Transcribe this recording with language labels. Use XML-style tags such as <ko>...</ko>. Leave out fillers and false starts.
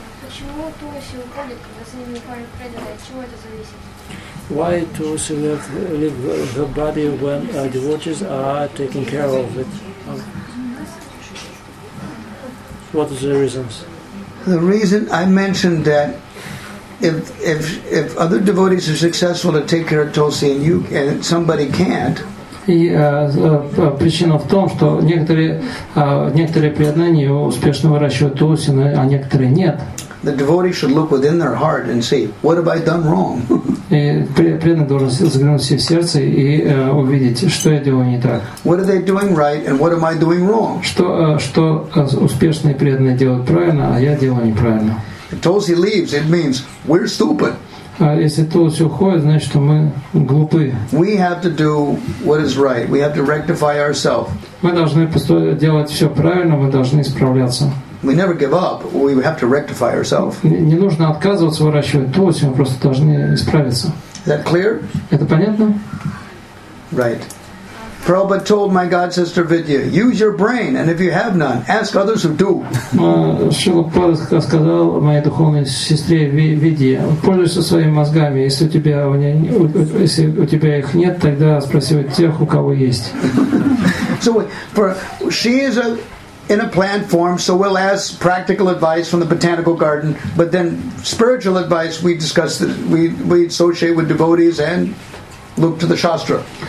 <ru>Почему тулси уходит, когда с ними парень предает? Чего это зависит?</ru> <en>Why tulsi leave the body when devotees are taking care of it? What is the reasons? The reason I mentioned that if other devotees are successful to take care of tulsi and somebody can't,</en> <ru>И причина в том, что некоторые преданные успешно выращивают туласи, а некоторые нет.</ru> <en>The devotee should look within their heart and see, what have I done wrong?</en> <ru>И преданный должен заглянуть себе в сердце и увидеть, что я делаю не так.</ru> <en>What are they doing right and what am I doing wrong?</en> <ru>Что успешные преданные делают правильно, а я делаю неправильно.</ru> <en>If Tulsi leaves, it means we're stupid.</en> <ru>Если Тулси уходит, значит, что мы глупы.</ru> <en>We have to do what is right. We have to rectify ourselves.</en> <ru>Мы должны делать все правильно, мы должны исправляться.</ru> <en>We never give up, we have to rectify ourselves.</en> <ru>Не нужно отказываться выращивать Тулси, мы просто должны исправиться.</ru> <en>Is that clear?</en> <ru>Это понятно?</ru> <en>Right. Prabhupada told my god sister Vidya, use your brain, and if you have none, ask others who do.</en> <ru>Шрила Прабхупада сказал моей духовной сестре Видье, пользуйся своими мозгами, если у тебя их нет, тогда спроси у тех, у кого есть.</ru> <en>So she is in a plant form, so we'll ask practical advice from the botanical garden, but then spiritual advice we discuss, we associate with devotees and look to the Shastra.</en>